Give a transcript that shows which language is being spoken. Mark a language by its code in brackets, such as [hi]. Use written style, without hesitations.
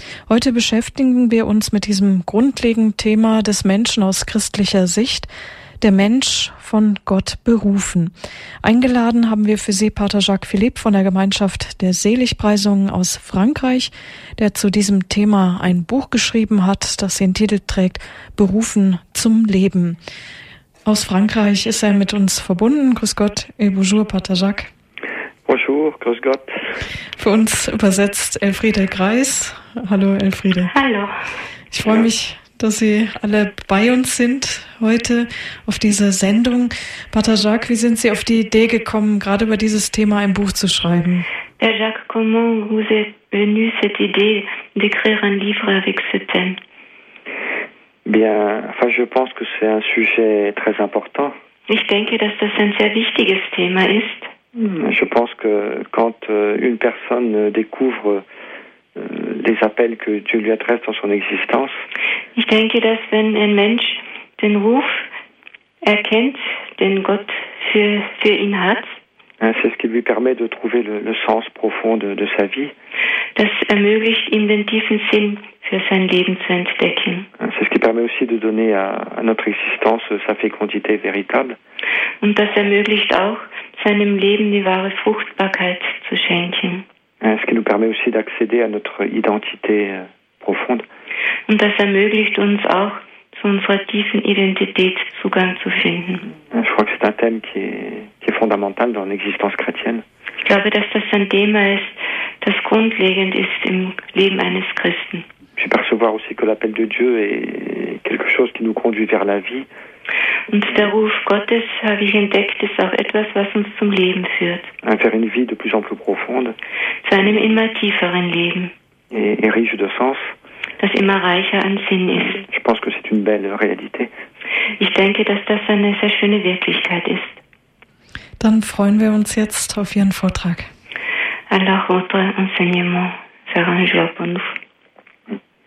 [de] Heute beschäftigen wir uns mit diesem grundlegenden Thema des Menschen aus christlicher Sicht, der Mensch von Gott berufen. Eingeladen haben wir für Sie Pater Jacques Philippe von der Gemeinschaft der Seligpreisungen aus Frankreich, der zu diesem Thema ein Buch geschrieben hat, das den Titel trägt »Berufen zum Leben«. Aus Frankreich ist er mit uns verbunden. Grüß Gott, et bonjour, Pater Jacques. Bonjour, grüß Gott. Für uns übersetzt Elfriede Greis. Hallo, Elfriede. Hallo. Ich freue mich, dass Sie alle bei uns sind heute auf dieser Sendung. Pater Jacques, wie sind Sie auf die Idee gekommen, gerade über dieses Thema ein Buch zu schreiben? [fr] Pater Jacques, comment vous est venue cette idée d'écrire un livre avec ce thème? Bien, enfin, je pense que c'est un sujet très important. [de] Ich denke, dass das ein sehr wichtiges Thema ist. [fr] Je pense que quand une personne découvre les appels que Dieu lui adresse dans son existence, [de] ich denke, dass wenn ein Mensch den Ruf erkennt, den Gott für ihn hat, [fr] c'est ce qui lui permet de trouver le sens profond de sa vie. [de] Das ermöglicht ihm den tiefen Sinn für sein Leben zu entdecken. [fr] C'est ce qui permet aussi de donner à notre existence sa fécondité véritable. [de] Und das ermöglicht auch seinem Leben die wahre Fruchtbarkeit zu schenken. [fr] Ce qui nous permet aussi d'accéder à notre identité profonde. [de] Und das ermöglicht uns auch zu unserer tiefen Identität Zugang zu finden. [fr] Je crois que c'est un thème qui est fondamental dans l'existence chrétienne. [de] Ich glaube, dass das ein Thema ist, das grundlegend ist im Leben eines Christen. [fr] Je perçois aussi que l'appel de Dieu est quelque chose qui nous conduit vers la vie. [de] Und der Ruf Gottes, habe ich entdeckt, ist auch etwas, was uns zum Leben führt. [fr] Vers une vie de plus en plus profonde. [de] Zu einem immer tieferen Leben. [fr] Et riche de sens. [de] Das immer reicher an Sinn ist. [fr] Je pense que c'est une belle réalité. [de] Ich denke, dass das eine sehr schöne Wirklichkeit ist. Dann freuen wir uns jetzt auf Ihren Vortrag. [fr] Alors, votre enseignement sera un jour pour nous.